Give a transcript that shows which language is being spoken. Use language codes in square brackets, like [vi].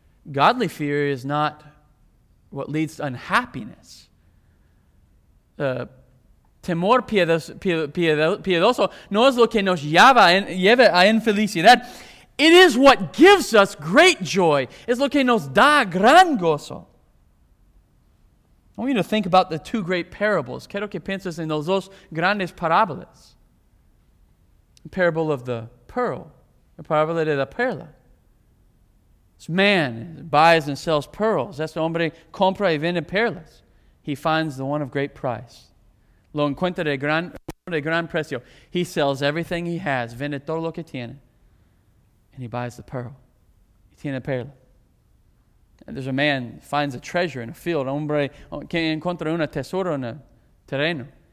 [en] Godly fear is not what leads to unhappiness. [es] Temor piedoso no es lo que nos lleva a infelicidad. [en] It is what gives us great joy. [es] Es lo que nos da gran gozo. [en] I want you to think about the two great parables. [es] Quiero que pienses en los dos grandes parábolas. [en] The parable of the pearl. The parable [es] de la perla. [en] This man buys and sells pearls. [es] Este hombre compra y vende perlas. [en] He finds the one of great price. [es] Lo encuentra de gran precio. [en] He sells everything he has. [es] Vende todo lo que tiene. [en] And he buys the pearl. [es] Y tiene perla. [en] And there's a man finds a treasure in a field. [es] Hombre que encuentra un tesoro en el terreno.